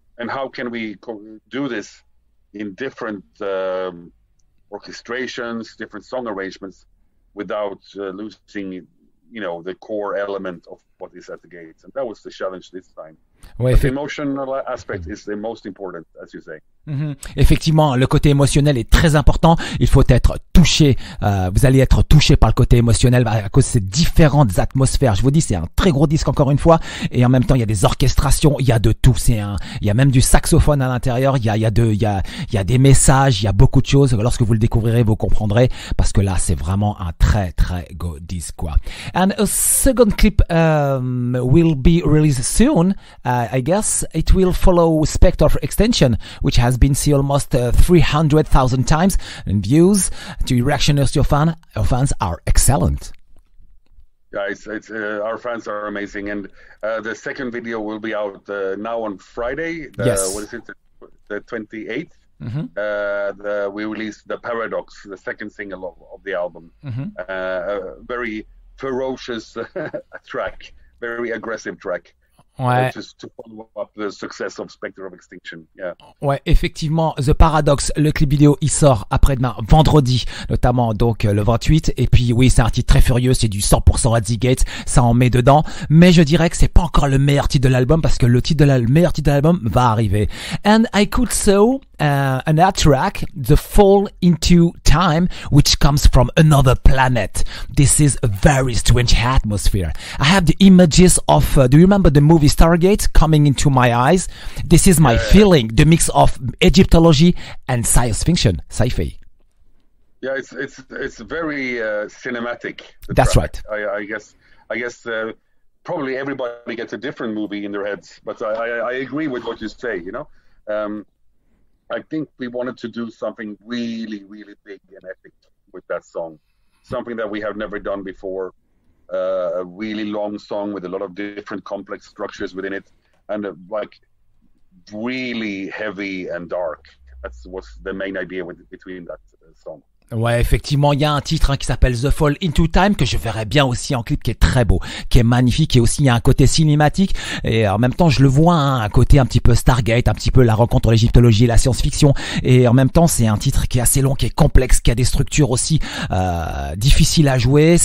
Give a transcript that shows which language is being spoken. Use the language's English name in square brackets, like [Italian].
[English] And how can we co do this in different orchestrations, different song arrangements, without losing, you know, the core element of what is At the Gates? And that was the challenge this time. Ouais, the emotional aspect is the most important, as you say. [French] Effectivement, le côté émotionnel est très important. Il faut être touché. Vous allez être touché par le côté émotionnel à cause de ces différentes atmosphères. Je vous dis, c'est un très gros disque encore une fois. Et en même temps, il y a des orchestrations, il y a de tout. Il y a même du saxophone à l'intérieur. Il y a des messages, il y a beaucoup de choses. Lorsque vous le découvrirez, vous comprendrez. Parce que là, c'est vraiment un très très gros disque, quoi. [English] And a second clip will be released soon. I guess it will follow Spectre of Extinction, which has been seen almost 300,000 times, and views to reaction of your fans are excellent. Guys, yeah, our fans are amazing, and the second video will be out now on Friday. Yes. What is it? The 28th. We released The Paradox, the second single of the album. A very ferocious track, very aggressive track. [French] Ouais. [English] To follow up the success of Spectre of Extinction. Yeah. [French] Ouais, effectivement, The Paradox, le clip vidéo, il sort après-demain, vendredi, notamment donc le 28. Et puis oui, c'est un titre très furieux, c'est du 100% Eddie Gates, ça en met dedans. Mais je dirais que c'est pas encore le meilleur titre de l'album parce que le meilleur titre de l'album va arriver. [English] And I could saw another track, The Fall into Time, which comes from another planet. This is a very strange atmosphere. I have the images of, do you remember the movie Stargate coming into my eyes? This is my feeling, the mix of Egyptology and science fiction, sci-fi. Yeah, it's very cinematic. That's track. Right. I guess probably everybody gets a different movie in their heads, but I agree with what you say, you know? I think we wanted to do something really, really big and epic with that song. Something that we have never done before. A really long song with a lot of different complex structures within it. And like really heavy and dark. That's what's the main idea between that song. [French] Ouais, effectivement, il y a un titre hein, qui s'appelle The Fall into Time que je verrais bien aussi en clip, qui est très beau, qui est magnifique, et aussi il y a un côté cinématique, et en même temps je le vois hein, un côté un petit peu Stargate, un petit peu la rencontre entre l'égyptologie et la science-fiction, et en même temps c'est un titre qui est assez long, qui est complexe, qui a des structures aussi difficiles à jouer.